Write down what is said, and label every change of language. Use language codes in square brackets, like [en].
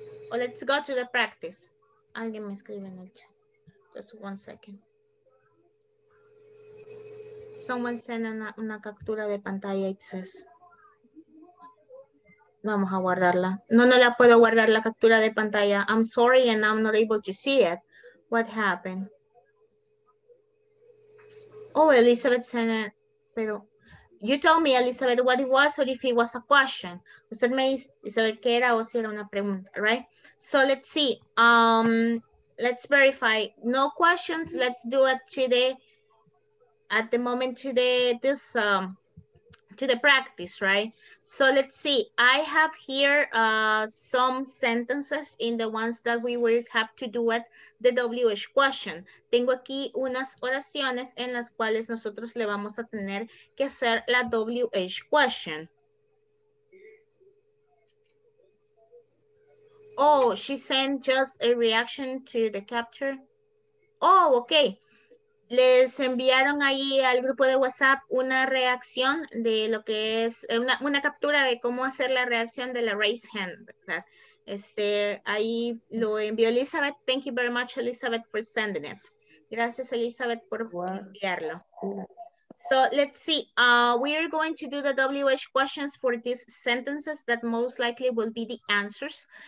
[en] O let's go to the practice. [es] Alguien me escribe en el chat. [en] Just one second. Someone sent [es] una captura de pantalla. [en] It says. [es] Vamos a guardarla. No la puedo guardar la captura de pantalla. [en] I'm sorry and I'm not able to see it. What happened? Oh, Elizabeth sent it. Pero, you told me, Elizabeth, what it was or if it was a question. [es] Usted me dice, Elizabeth, ¿qué era o si era una pregunta, [en] right? So let's see. Let's verify. No questions. Let's do it today. At the moment today, this... to the practice, right? So let's see. I have here some sentences in the ones that we will have to do at the WH question. [es] Tengo aquí unas oraciones en las cuales nosotros le vamos a tener que hacer la WH question. [en] Oh, she sent just a reaction to the capture. Oh, okay. [es] Les enviaron ahí al grupo de WhatsApp una reacción de lo que es una captura de cómo hacer la reacción de la raise hand, ¿verdad? Ahí lo envió Elizabeth. [en] Thank you very much, Elizabeth, for sending it. [es] Gracias, Elizabeth, por enviarlo. [en] So let's see. We are going to do the WH questions for these sentences that most likely will be the answers.